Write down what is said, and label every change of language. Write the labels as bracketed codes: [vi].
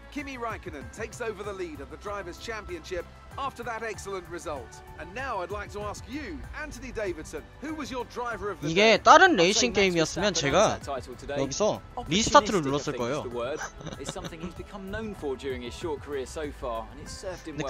[en] Kimi Raikkonen takes over the lead of the driver's championship after that excellent result. And now I'd like to ask you, Anthony Davidson, who was your driver of the day? [ko] 이게 다른 레이싱 게임이었으면 제가 여기서 리스타트를 눌렀을 거예요. [en] It's something he's become known for during his short career so far, and it served him well.